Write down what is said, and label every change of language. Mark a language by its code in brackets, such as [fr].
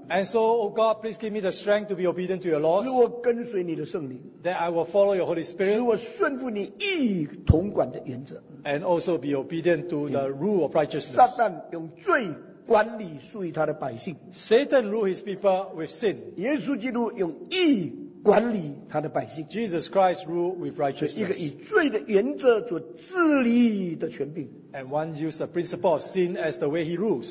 [en] And so, O God, please give me the strength to be obedient to your laws. [zh] 使我跟随你的圣灵。 [en] That I will follow your Holy Spirit. [zh] 使我顺服你义同管的原则。 [en] And also be obedient to the rule of righteousness. [zh] 撒旦用罪管理属于他的百姓。 [en] Satan rule his people with sin. [zh] 耶稣基督用义管理他的百姓。 [en] Jesus Christ rule with righteousness. [zh] 一个以罪的原则做治理的权柄。 [en] And one used the principle of sin as the way he rules.